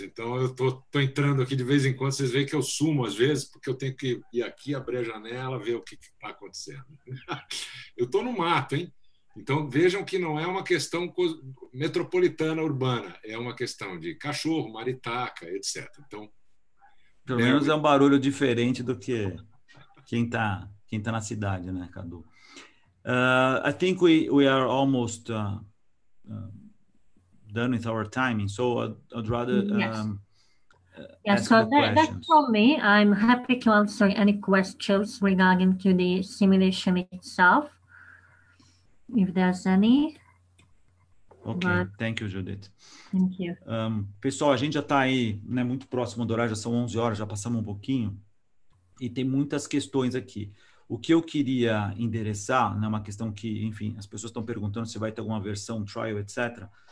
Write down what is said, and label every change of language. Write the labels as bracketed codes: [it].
[pt] Então, eu tô entrando aqui de vez em quando. Vocês veem que eu sumo às vezes, porque eu tenho que ir aqui, abrir a janela, ver o que está acontecendo. Eu estou no mato, hein? Então, vejam que não é uma questão metropolitana, urbana. É uma questão de cachorro, maritaca, etc. Então, pelo menos é um barulho diferente do que quem tá na cidade, né, Cadu? [en] I think we are almost done with our timing, so I'd rather That's for me. I'm happy to answer any questions regarding to the simulation itself, if there's any. Okay, thank you, Judith. Thank you. [pt] Pessoal, a gente já está aí, né, muito próximo do horário, já são 11 horas, já passamos um pouquinho, e tem muitas questões aqui. O que eu queria endereçar, né, uma questão que, enfim, as pessoas estão perguntando se vai ter alguma versão, trial, etc.